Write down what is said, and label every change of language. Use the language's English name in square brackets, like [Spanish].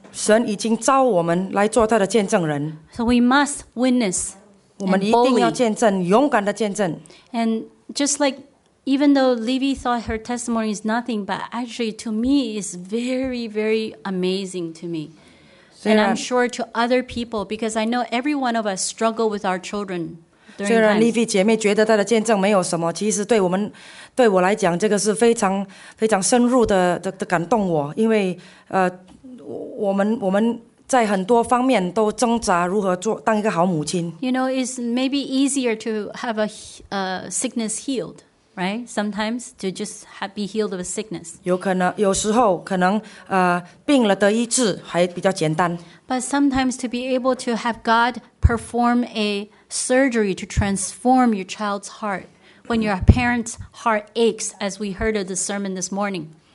[Chinese] 神已经召我们来做他的见证人。 [English] So we must witness. [Chinese] 我们一定要见证，勇敢的见证。 [English] And just like even though Livy thought her testimony is nothing, but actually to me is very, very amazing to me. And I'm sure to other people, because I know every one of us struggle with our children. [Chinese] 虽然丽菲姐妹觉得她的见证没有什么，其实对我们来讲，这个是非常深入的感动我，因为我们在很多方面都挣扎如何做当一个好母亲。 [English] You know, it's maybe easier to have a sickness healed, right? Sometimes to just have, be healed of a sickness. [Chinese] 有时候可能病了得医治还比较简单。 [English] But sometimes to be able to have God perform a surgery to transform your child's heart when your parent's heart aches, as we heard of the sermon this morning.